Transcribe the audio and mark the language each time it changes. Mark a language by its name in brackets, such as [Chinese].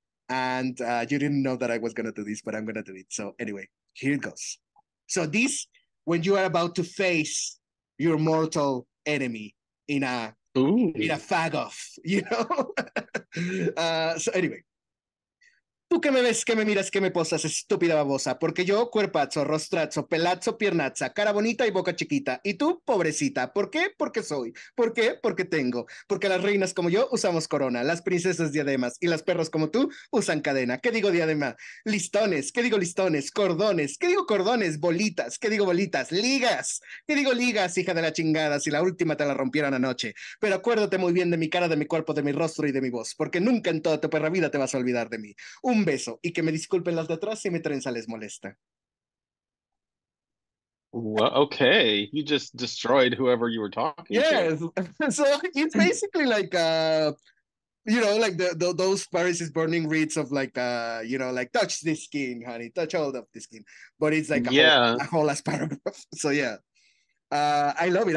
[English] And you didn't know that I was going to do this, but I'm going to do it. So anyway, here it goes. So this, when you are about to face your mortal enemy in a fag off, you know? so anyway, [Spanish] ¿Tú qué me ves, qué me miras, qué me posas, estúpida babosa? Porque yo, cuerpazo, rostrazo, pelazo, piernaza, cara bonita y boca chiquita. Y tú, pobrecita. ¿Por qué? Porque soy. ¿Por qué? Porque tengo. Porque las reinas como yo usamos corona, las princesas diademas y las perros como tú usan cadena. ¿Qué digo diadema? Listones. ¿Qué digo listones? Cordones. ¿Qué digo cordones? Bolitas. ¿Qué digo bolitas? Ligas. ¿Qué digo ligas, hija de la chingada, si la última te la rompieran anoche? Pero acuérdate muy bien de mi cara, de mi cuerpo, de mi rostro y de mi voz, porque nunca en toda tu perra vida te vas a olvidar de mí. Un beso, y que me disculpen las de atrás si mi trenza les molesta. [English] Well, okay, you just destroyed whoever you were talking yes. to. Yes, so it's basically like, you know, like the those Paris is Burning reads of like, you know, like, touch this skin, honey, touch all of this skin. But it's like a whole last paragraph, so yeah. I love it.